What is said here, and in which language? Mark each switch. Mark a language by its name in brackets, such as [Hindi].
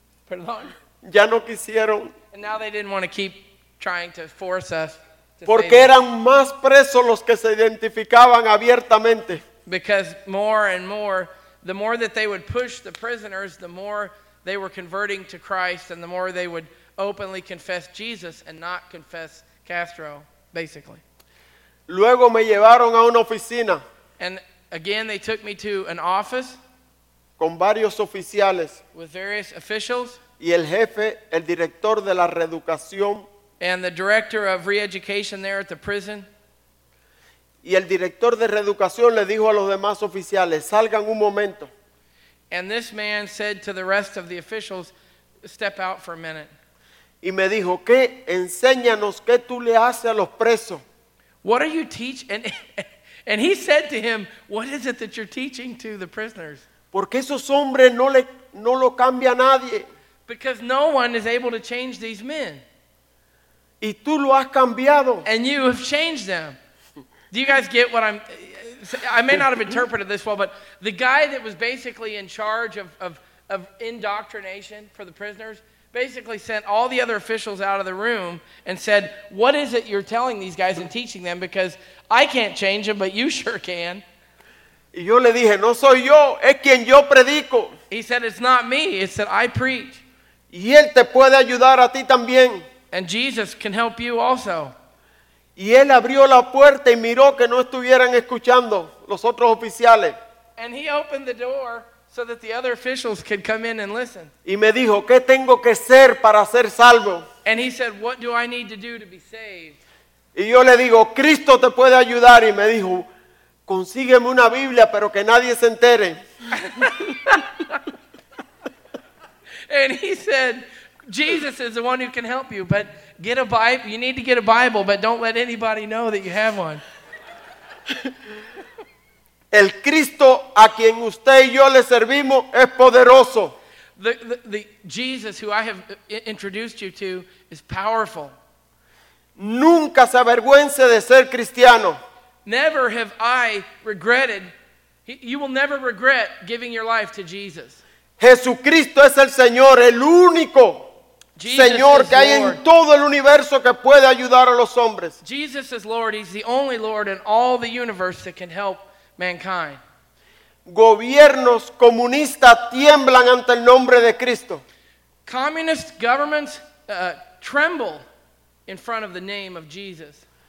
[Spanish] Perdón. Ya no quisieron. [English] And now they didn't want to keep trying to force us. [Spanish] Porque eran más presos los que se identificaban abiertamente. [English] Because more and more, the more that they would push the prisoners, the more they were converting to Christ, and the more they would openly confess Jesus and not confess Castro, basically. [Spanish] Luego me llevaron a una oficina. [English] And again, they took me to an office. [Spanish] Con varios oficiales. [English] With various officials. [Spanish] Y el jefe, el director de la reeducación. [English] And the director of re-education there at the prison. [Spanish] Y el director de reeducación le dijo a los demás oficiales, salgan un momento. [English] And this man said to the rest of the officials, step out for a minute. [Spanish] Y me dijo, ¿qué? Enséñanos qué tú le haces a los presos. [English] What are you teaching? And he said to him, what is it that you're teaching to the prisoners? [Spanish] Porque esos hombres no lo cambia nadie. [English] Because no one is able to change these men. [Spanish] Y tú lo has cambiado. [English] And you have changed them. Do you guys get what I'm... I may not have interpreted this well, but the guy that was basically in charge of indoctrination for the prisoners basically sent all the other officials out of the room and said, what is it you're telling these guys and teaching them? Because I can't change them, but you sure can. [Spanish] Y yo le dije, no soy yo, es quien yo predico. [English] He said, it's not me, it's that I preach. [Spanish] Y él te puede ayudar a ti también. [English] And Jesus can help you also. [Spanish] Y él abrió la puerta y miró que no estuvieran escuchando los otros oficiales. [English] And he opened the door so that the other officials could come in and listen. [Spanish] Y me dijo, ¿qué tengo que ser para ser salvo? [English] And he said, what do I need to do to be saved? [Spanish] Y yo le digo, Cristo te puede ayudar. Y me dijo, consígueme una Biblia, pero que nadie se entere. [English] And he said, Jesus is the one who can help you, but get a Bible. You need to get a Bible, but don't let anybody know that you have one. [Spanish] El Cristo a quien usted y yo le servimos es poderoso. [English] The Jesus who I have introduced you to is powerful. [Spanish] Nunca se avergüence de ser cristiano. [English] Never have I regretted. You will never regret giving your life to Jesus. [Spanish] Jesucristo es el Señor, el único. [English] Jesus [Spanish] Señor, [English] is [Spanish] que hay [English] Lord. [Spanish] En todo el universo que puede ayudar a los hombres. [English] Jesus is Lord. He's the only Lord in all the universe that can help mankind. [Spanish] Gobiernos comunistas tiemblan ante el nombre de Cristo. [English] Communist governments tremble in front of the name of Jesus.